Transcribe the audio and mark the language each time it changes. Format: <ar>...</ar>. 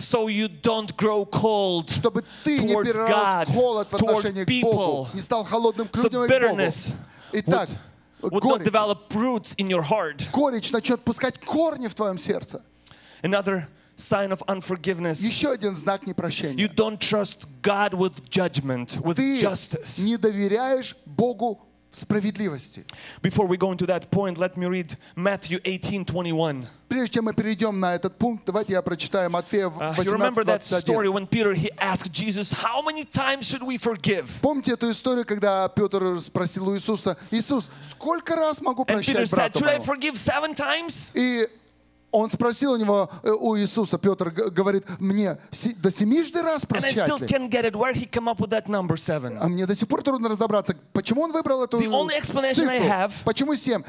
<en>So you don't grow cold</en> <ru>чтобы ты не перерос</ru> <en>God,</en> <ru>холод в отношении к Богу. Не стал холодным к людям</ru> <en>so</en> <ru>и к Богу. Итак,</ru> <en>would not develop roots in your heart.</en> <ru>Горечь начнет пускать корни в твоем сердце.</ru> <en>Another sign of unforgiveness.</en> <ru>Еще один знак непрощения.</ru> <en>You don't trust God with judgment, with justice.</en> <ru>Ты не доверяешь Богу справедливости.</ru> <en>Before we go into that point, let me read Matthew 18:21.</en> <ru>Прежде чем мы перейдем на этот пункт, давайте я прочитаю Матфея 18:21.</ru> <en>You remember that story when Peter he asked Jesus, how many times should we forgive?</en> <ru>Помните эту историю, когда Петр спросил у Иисуса: Иисус, сколько раз могу прощать брату моего?</ru> <en>And Peter said, should I forgive 7 times?</en> <ru>И он спросил у него, у Иисуса, Петр говорит, мне до 70 раз прощать ли? А мне до сих пор трудно разобраться, почему он выбрал эту цифру. Почему 7?</ru>